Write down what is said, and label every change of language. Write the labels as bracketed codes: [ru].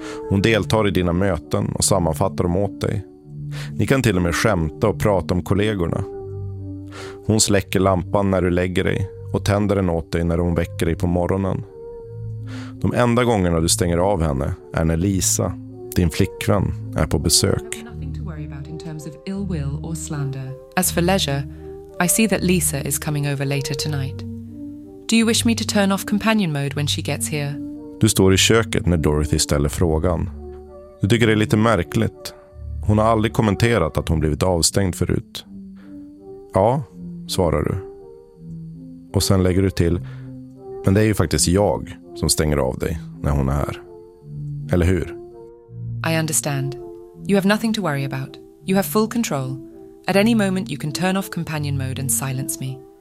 [sv] Hon deltar i dina möten och sammanfattar dem åt dig. Ni kan till och med skämta och prata om kollegorna. Hon släcker lampan när du lägger dig och tänder den åt dig när hon väcker dig på morgonen. De enda gångerna du stänger av henne är när Lisa, din flickvän, är på besök. [en] Nothing to worry about in terms of ill will or slander. As for leisure, I see that Lisa is coming over later tonight. Do you wish me to turn off companion mode when she gets here? [sv] Du står i köket när Dorothy ställer frågan. Du tycker det är lite märkligt. Hon har aldrig kommenterat att hon blivit avstängd förut. Ja, svarar du. Och sen lägger du till, men det är ju faktiskt jag som stänger av dig när hon är här. Eller hur? [en] I understand. You have nothing to worry about. You have full control. At any moment you can turn off companion mode and silence me.